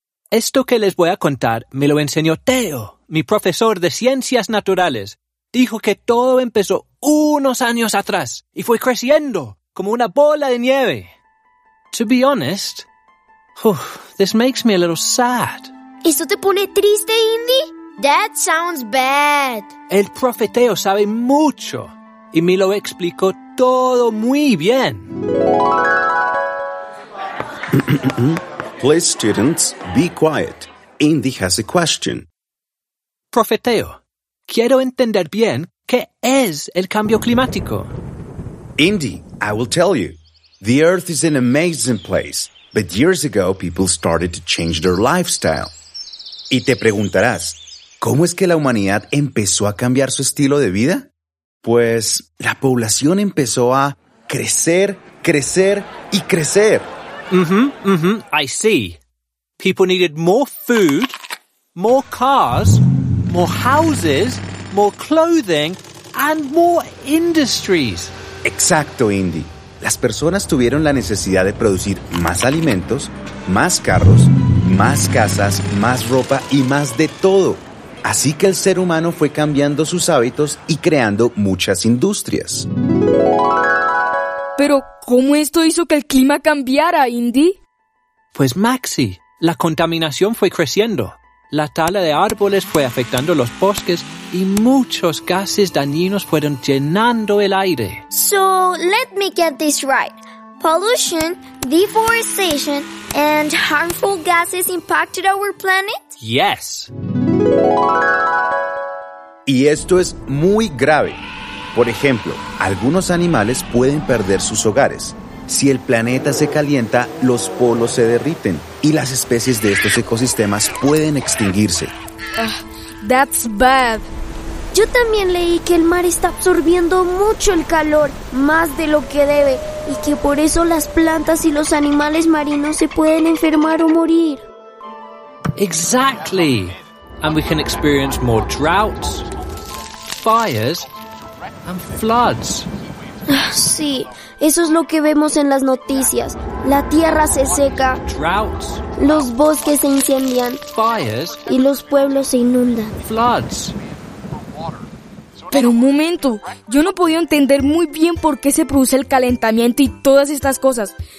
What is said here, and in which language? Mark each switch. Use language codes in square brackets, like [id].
[es] Esto que les voy a contar me lo enseñó Teo, mi profesor de ciencias naturales. Dijo que todo empezó unos años atrás y fue creciendo como una bola de nieve. [en] To be honest, this makes me a little sad. [es] ¿Eso te pone triste, Indy? [en] That sounds bad. [es] El profe Teo sabe mucho y me lo explicó todo muy bien. [en] Please, students, be quiet. Indy has a question. [es] Profe Teo, quiero entender bien qué es el cambio climático. [en] Indy, I will tell you. The Earth is an amazing place, but years ago people started to change their lifestyle. [es] Y te preguntarás, ¿cómo es que la humanidad empezó a cambiar su estilo de vida? Pues la población empezó a crecer, crecer y crecer. [en] I see. People needed more food, more cars, more houses, more clothing, and more industries. [es] Exacto, Indy. Las personas tuvieron la necesidad de producir más alimentos, más carros, más casas, más ropa y más de todo. Así que el ser humano fue cambiando sus hábitos y creando muchas industrias. Pero, ¿cómo esto hizo que el clima cambiara, Indy? Pues Maxi, la contaminación fue creciendo. La tala de árboles fue afectando los bosques y muchos gases dañinos fueron llenando el aire. [en] So, let me get this right. Pollution, deforestation, and harmful gases impacted our planet? Yes. [es] Y esto es muy grave. Por ejemplo, algunos animales pueden perder sus hogares. Si el planeta se calienta, los polos se derriten y las especies de estos ecosistemas pueden extinguirse. [en] That's bad. [es] Yo también leí que el mar está absorbiendo mucho el calor, más de lo que debe, y que por eso las plantas y los animales marinos se pueden enfermar o morir. [en] Exactly. And we can experience more droughts, fires, and floods. [es] Sí, eso es lo que vemos en las noticias. La tierra se seca, [en] droughts, [es] los bosques se incendian, [en] fires, [es] y los pueblos se inundan. [en] Floods. [es] Pero un momento, yo no podía entender muy bien por qué se produce el calentamiento y todas estas cosas.